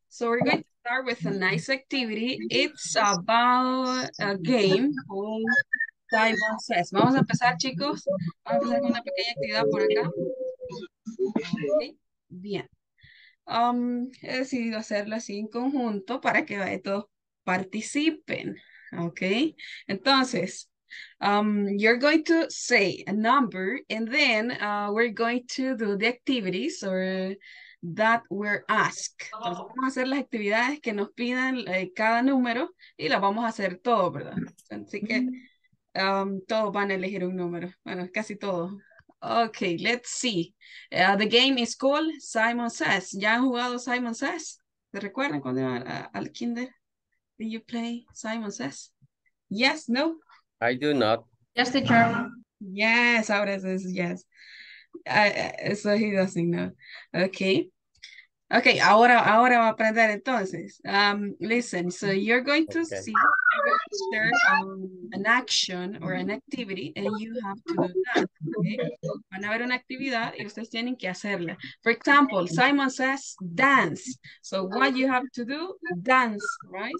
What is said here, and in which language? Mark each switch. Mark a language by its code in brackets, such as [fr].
[en] So we're going to start with a nice activity. It's about a game called Time on Says. [es] Vamos a empezar, chicos. Vamos a empezar con una pequeña actividad por acá. Okay. Bien. He decidido hacerlo así en conjunto para que vaya todos participen. [en] Okay. Entonces, you're going to say a number and then we're going to do the activities or that were asked. [es] Entonces, vamos a hacer las actividades que nos pidan cada número y las vamos a hacer todo, ¿verdad? Así que todos van a elegir un número. Bueno, casi todos. [en] Okay, let's see. The game is called Simon Says. [es] ¿Ya han jugado Simon Says? ¿Te recuerdan cuando iban al kinder? [en] Did you play Simon Says? Yes, no. I do not. Yes, the German. Yes, [es] ahora es [en] yes. Eso he doesn't know. Okay. Okay, [es] ahora va a aprender entonces. [en] Listen, so you're going to Okay. see, you're going to share an action or an activity and you have to do that. Okay. [es] Van a ver una actividad y ustedes tienen que hacerla. [en] For example, Simon says dance. So what you have to do, dance, right?